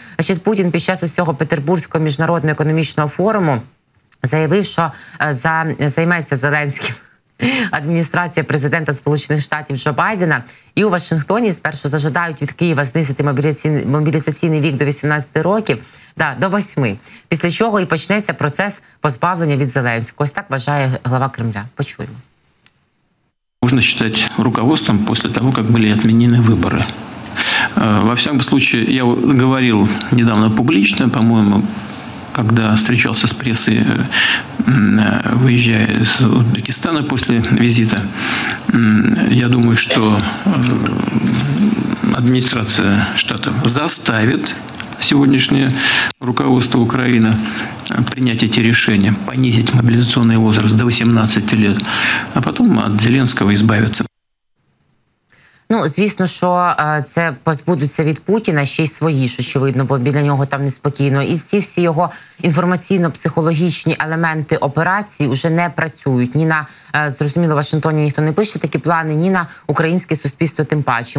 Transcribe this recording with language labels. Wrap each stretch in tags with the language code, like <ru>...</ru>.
<uk>Значить, Путін під час усього Петербурзького міжнародного економічного форуму заявив, що займається Зеленським адміністрація президента Сполучених Штатів Джо Байдена. І у Вашингтоні спершу зажадають від Києва знизити мобілізаційний вік до 18 років, да, до 8, після чого і почнеться процес позбавлення від Зеленського. Ось так вважає глава Кремля. Почуємо.</uk> <ru>Можно считать руководством после того, как были отменены выборы. Во всяком случае, я говорил недавно публично, по-моему, когда встречался с прессой, выезжая из Узбекистана после визита. Я думаю, что администрация штата заставит сегодняшнее руководство Украины принять эти решения, понизить мобилизационный возраст до 18 лет, а потом от Зеленского избавиться.</ru> <uk>Ну, звісно, що це позбудуться від Путіна, ще й свої, що очевидно, бо біля нього там неспокійно. І ці всі його інформаційно-психологічні елементи операції вже не працюють. Ні на, зрозуміло, в Вашингтоні ніхто не пише такі плани, ні на українське суспільство тим паче.</uk>